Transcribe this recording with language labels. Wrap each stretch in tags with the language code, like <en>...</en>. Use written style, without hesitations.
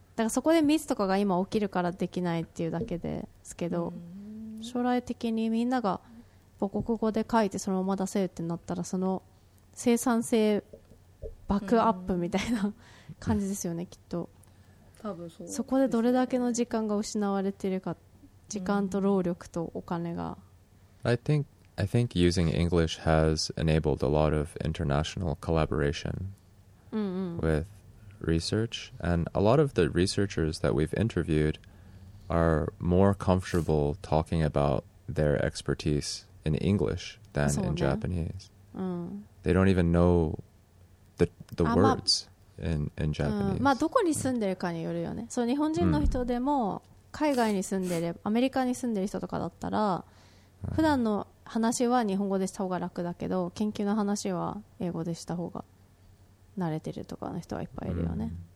<ja>だからそこでミスとかが今起きるからできないっていうだけですけど、将来的にみんなが母国語で書いてそのまま出せるってなったら、その生産性バックアップみたいな感じですよね、きっと。多分そう、そこでどれだけの時間が失われているか、時間と労力とお金が。</ja> <en>I think using English has enabled a lot of international collaboration with research, and a lot of the researchers that we've interviewed are more comfortable talking about their expertise in English than in Japanese. They don't even know the words in Japanese.</en> <ja>まあどこに住んでるかによるよね。そう、日本人の人でも海外に住んでる、アメリカに住んでる人とかだったら、普段の話は日本語でした方が楽だけど、研究の話は英語でした方が慣れてるとかの人はいっぱいいるよね。</ja>